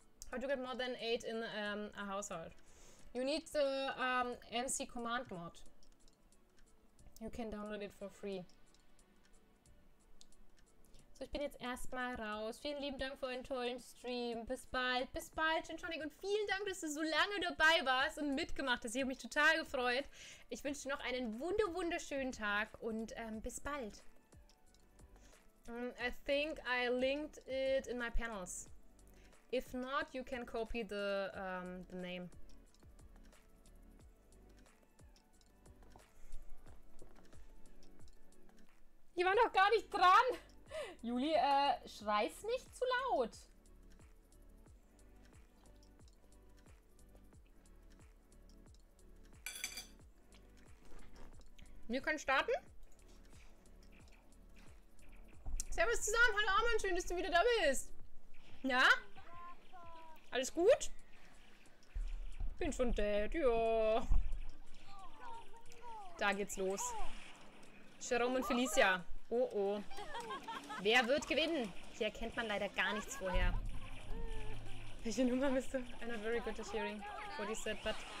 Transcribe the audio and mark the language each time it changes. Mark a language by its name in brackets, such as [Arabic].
[English] How to get more than 8 in a household? You need the MC Command Mod. You can download it for free. [German] So, ich bin jetzt erstmal raus. Vielen lieben Dank für einen tollen Stream. Bis bald. Bis bald, Gintronic. Und vielen Dank, dass du so lange dabei warst und mitgemacht hast. Ich habe mich total gefreut. Ich wünsche dir noch einen wunderschönen Tag und bis bald. [English] I think I linked it in my panels. If not, you can copy the name. [German] Ich war noch gar nicht dran. Juli, schreis nicht zu laut. Wir können starten. Servus zusammen. Hallo Armin, schön, dass du wieder da bist. Na? Alles gut? Bin schon dead, ja. Da geht's los. Jerome und Felicia. Oh, oh. Wer wird gewinnen? Hier erkennt man leider gar nichts vorher. Welche Nummer bist du? [English] I'm not very good at hearing what he said, but...